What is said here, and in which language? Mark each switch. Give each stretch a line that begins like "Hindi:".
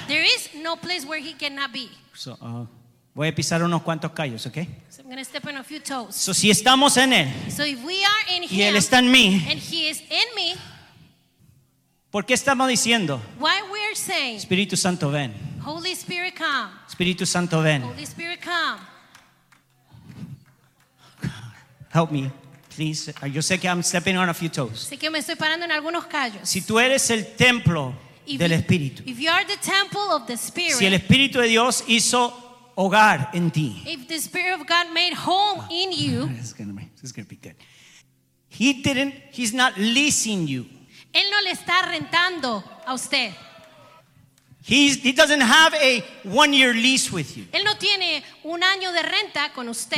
English: There is no place where he cannot be.
Spanish: So, voy a pisar unos cuantos callos, ¿ok?
English: So I'm going to step on a few toes.
Spanish: So si estamos en él.
English: So if we are in him.
Spanish: Y él está en mí.
English: And he is in me.
Spanish: ¿Por qué estamos diciendo?
English: Why we are saying.
Spanish: Espíritu Santo, ven.
English: Holy Spirit, come.
Spanish: Espíritu Santo, ven.
English: Holy Spirit, come. Help me, please.
Spanish: Yo sé que
English: I'm stepping on a few toes.
Spanish: Sé que me estoy parando en algunos callos. Si tú eres el templo del Espíritu.
English: If you are the temple of the Spirit.
Spanish: Si el Espíritu de Dios hizo hogar en ti.
English: If the Spirit of God made home in you. This is gonna be good. He's not leasing you.
Spanish: Él no le está rentando a usted.
English: He doesn't have a 1 year lease with you.
Spanish: Él no tiene un año de renta con usted.